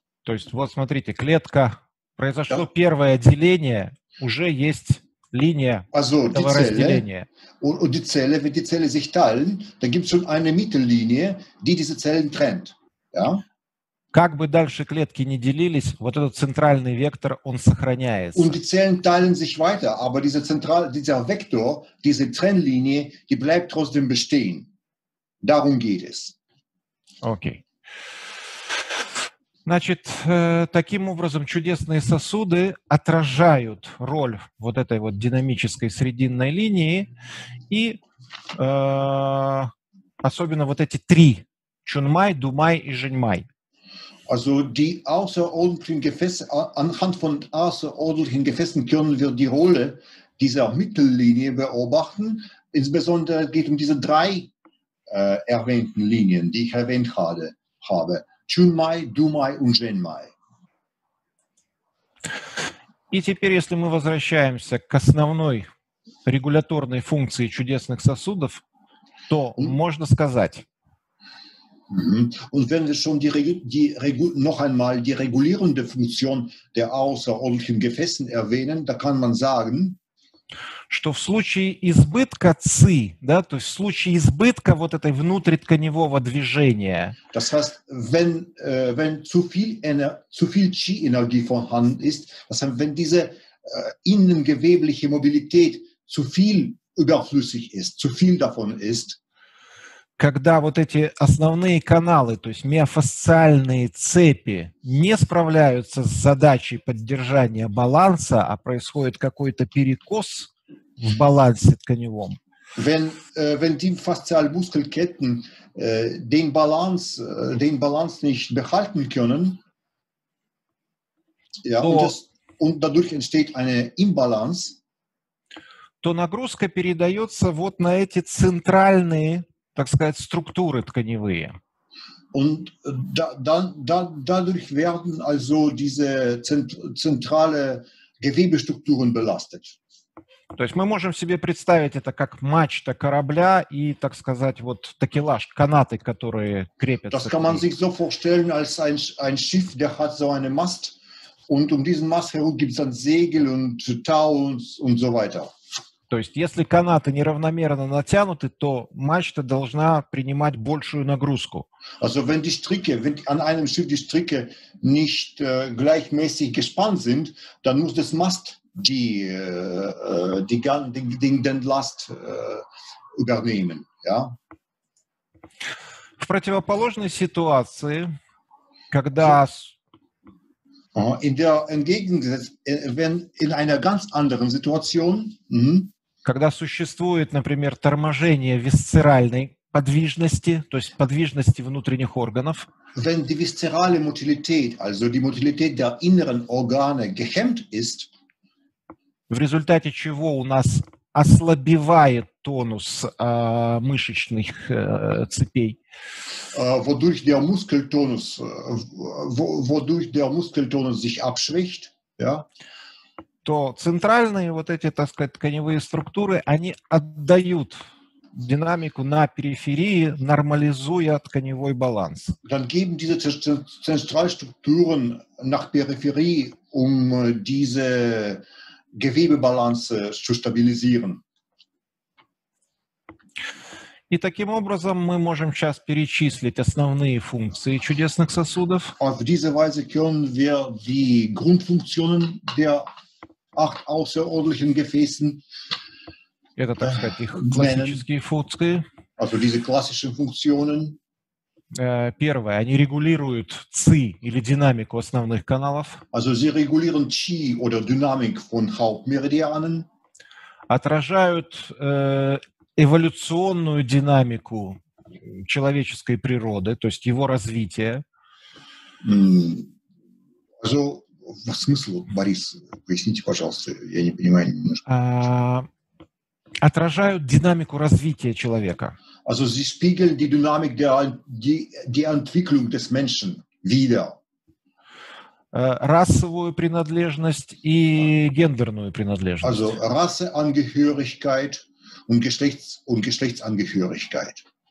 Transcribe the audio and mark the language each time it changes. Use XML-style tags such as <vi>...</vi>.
<ru>То есть, вот смотрите, клетка, произошло первое деление, уже есть линия этого разделения.</ru> <de>Und die Zelle, wenn die Zelle sich teilen, dann gibt es schon eine Mittellinie, die diese Zellen trennt. Ja?</de> <ru>Как бы дальше клетки не делились, вот этот центральный вектор, он сохраняется.</ru> <de>Und die Zellen teilen sich weiter, aber dieser Vektor, diese Trennlinie, die bleibt trotzdem bestehen. Darum geht es. Okay.</de> <ru>Значит, таким образом чудесные сосуды отражают роль вот этой вот динамической срединной линии и особенно вот эти три – Чунмай, Думай и Женьмай.</ru> <de>Also die außerordentlichen Gefäße, anhand von außerordentlichen Gefäßen können wir die Rolle dieser Mittellinie beobachten. Insbesondere geht es um diese drei erwähnten Linien, die ich erwähnt habe.</de> <ru>Чунмай, Думай и Женмай. И теперь, если мы возвращаемся к основной регуляторной функции чудесных сосудов, то можно сказать. И если мы еще раз die регулирующую функцию</ru> <de>der außerordentlichen Gefäßen erwähnen,</de> <ru>то можно сказать, что в случае избытка ци, да, то есть в случае избытка вот этой внутритканевого движения.</ru> <de>Das heißt, wenn, wenn zu viel Qi-Energie vorhanden ist, das heißt, wenn diese innengewebliche Mobilität zu viel überflüssig ist, zu viel davon ist.</de> <ru>Когда вот эти основные каналы, то есть миофасциальные цепи, не справляются с задачей поддержания баланса, а происходит какой-то перекос в балансе тканевом.</ru> <de>Wenn die Faszialmuskelketten den Balance nicht behalten können, ja, und dadurch entsteht eine Imbalance,</de> <ru>то нагрузка передается вот на эти центральные, так сказать, структуры тканевые.</ru> <de>Und dadurch werden also diese zentrale Gewebestrukturen belastet.</de> <ru>То есть мы можем себе представить это как мачта корабля и, так сказать, вот такелаж, канаты, которые крепятся.</ru> <de>Das kann man sich so vorstellen, als ein Schiff, der hat so eine Mast, und um diesen Mast herum gibt es dann Segel und Tau und so weiter.</de> <ru>То есть если канаты неравномерно натянуты, то мачта должна принимать большую нагрузку.</ru> <de>Also wenn die Stricke, wenn an einem Schiff die Stricke nicht gleichmäßig gespannt sind, dann muss das Mast den Last übernehmen, ja?</de> <ru>В противоположной ситуации, когда когда существует, например, торможение висцеральной подвижности, то есть подвижности внутренних органов,</ru> <de>wenn die viszerale Motilität, also die Motilität der inneren Organe gehemmt ist,</de> <ru>в результате чего у нас ослабевает тонус мышечных цепей.</ru> <de>Wodurch der Muskeltonus, wodurch der Muskeltonus sich abschwächt, ja?</de> <ru>То центральные вот эти, так сказать, тканевые структуры, они отдают динамику на периферии, нормализуя тканевой баланс.</ru> <de>Dann geben diese Zentralstrukturen nach Peripherie, um diese Gewebebalance zu stabilisieren.</de> <ru>И таким образом мы можем сейчас перечислить основные функции чудесных сосудов.</ru> <de>Auf diese Weise können wir die Grundfunktionen der 8 außerordentlichen Gefäßen.</de> <ru>Это, так сказать, их классические функции.</ru> <de>Also diese klassischen Funktionen.</de> <ru>Первое, они регулируют ци или динамику основных каналов.</ru> <de>Also sie regulieren qi oder Dynamik von Hauptmeridianen.</de> <ru>Отражают эволюционную динамику человеческой природы, то есть его развитие. Also, в смысле, Борис, поясните, пожалуйста, я не понимаю немножко. Отражают динамику развития человека.</ru> <de>Also, sie spiegeln die Dynamik der Entwicklung des Menschen wieder.</de> <ru>Расовую принадлежность и гендерную принадлежность.</ru> <de>Also, Rasseangehörigkeit und Geschlechtsangehörigkeit.</de>